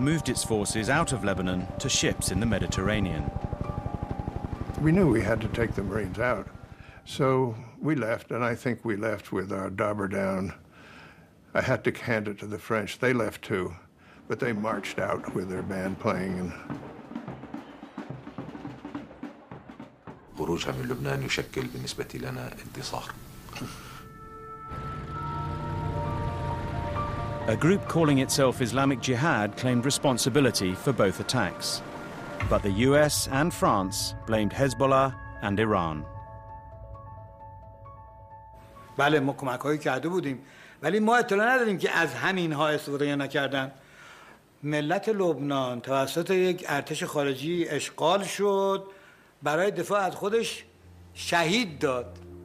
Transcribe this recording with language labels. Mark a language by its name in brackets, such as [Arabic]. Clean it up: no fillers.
[English] moved its forces out of Lebanon to ships in the Mediterranean. We knew we had to take the Marines out. So we left, and I think we left with our dauber down. I had to hand it to the French. They left too. But they marched out with their band playing. [Arabic] خروجها من لبنان يشكل بالنسبة لنا انتصار. [English] A group calling itself Islamic Jihad claimed responsibility for both attacks. But the US and France blamed Hezbollah and Iran. [Persian] بله ما کمک‌هایی کرده بودیم ولی ما اطلاع نداریم که از همین ها استفاده نکردن. ملت لبنان توسط یک ارتش خارجی اشغال شد برای دفاع از خودش شهید داد.